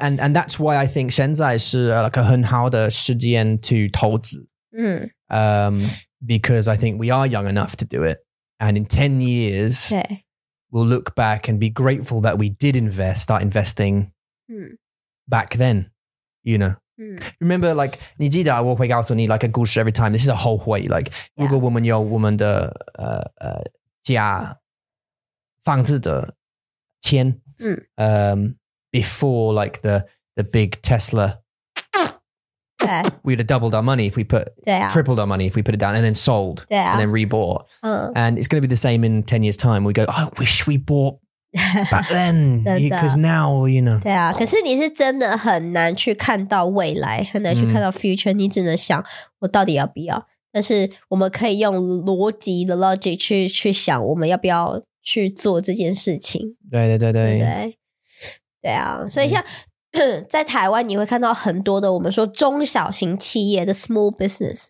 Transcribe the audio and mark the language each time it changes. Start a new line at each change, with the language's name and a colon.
English: And that's why I think
Chinese: 现在是
English: like a
Chinese: 很好的时间
English: to
Chinese: 投资。嗯。
English: Because I think we are young enough to do it. And in 10 years,
Chinese: 对,
English: we'll look back and be grateful that we did start investing back then, you know. Mm. Remember, like,
Chinese: 你记得我会告诉你
English: like a
Chinese: 故事
English: every time. This is a
Chinese: 后悔
English: like,、yeah.
Chinese: 如果我们有我们的家房子的钱、嗯、
English: before like the big Tesla, we'd have doubled our money if we put、啊、 tripled our money if we put it down and then sold、啊、 and then rebought、嗯、 and it's going to be the same in 10 years time. We go, I wish we bought back then, because now, you know.
Chinese: 对啊，可是你是真的很难去看到未来，很难去看到
English: future、
Chinese: 嗯、你只能想我到底要不要，但是我们可以用逻辑的
English: logic
Chinese: 去想我们要不要去做这件事情。对对对对对, 对, 对啊，所以像、嗯、在台湾你会看到很多的我们说中小型企业的
English: small business、